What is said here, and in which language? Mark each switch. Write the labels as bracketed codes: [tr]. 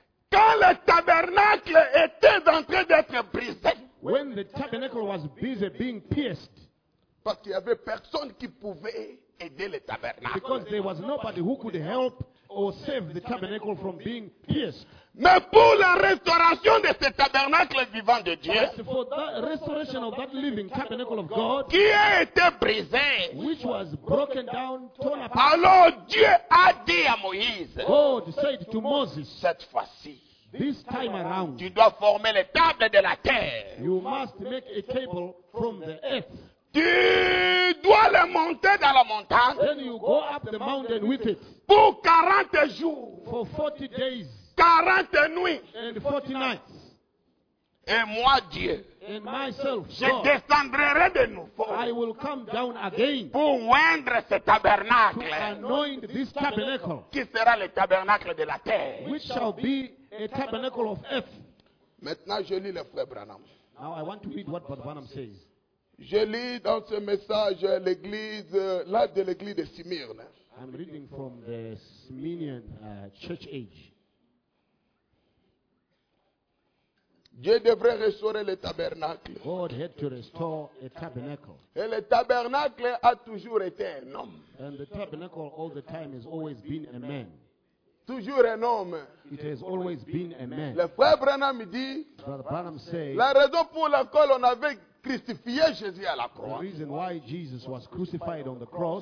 [fr] Quand le tabernacle était en train d'être brisé. [en] When the tabernacle was busy being pierced. [fr] Parce qu'il n'y avait personne qui pouvait aider le tabernacle. [en] Because there was nobody who could help or save the tabernacle from being pierced. [fr] Mais pour la restauration de ce tabernacle vivant de Dieu, [en] but for the restoration of that living tabernacle of God, [fr] qui a été brisé, [en] which was broken down, torn apart. [fr] Alors Dieu a dit à Moïse, [en] God said to Moses, [fr] cette fois-ci, [en] this time around, [fr] tu dois former les tables de la terre. [en] You must make a table from the earth. [fr] Tu dois le monter dans la montagne. [en] Then you go up the mountain with it. [fr] Pour 40 jours. [en] For 40 days. [fr] 40 nuits. [en] And 40 nights. [fr] Et moi, Dieu. [en] And myself, [fr] je [en] God, [fr] descendrai de nouveau. [en] I will come down again. [fr] Pour oindre ce tabernacle. [en] To anoint this tabernacle. [fr] Qui sera le tabernacle de la terre. [en] Which shall be a tabernacle of earth. [fr] Maintenant, je lis le frère Branham. [en] Now I want to read what Brother Branham says. [fr] Je lis dans ce message l'église, l'âge de l'église de Smyrne. [en] I'm reading from the Smyrnian church age. [fr] Dieu devrait restaurer le tabernacle. [en] God had to restore a tabernacle. [fr] Et le tabernacle a toujours été un homme. [en] And the tabernacle all the time has always been a man. [fr] Toujours un homme. [en] It has always been a man. [fr] Le frère Branham dit, [en] Brother Branham say, [fr] la raison pour laquelle on avait crucifié Jésus à la croix. [en] The reason why Jesus was crucified on the cross.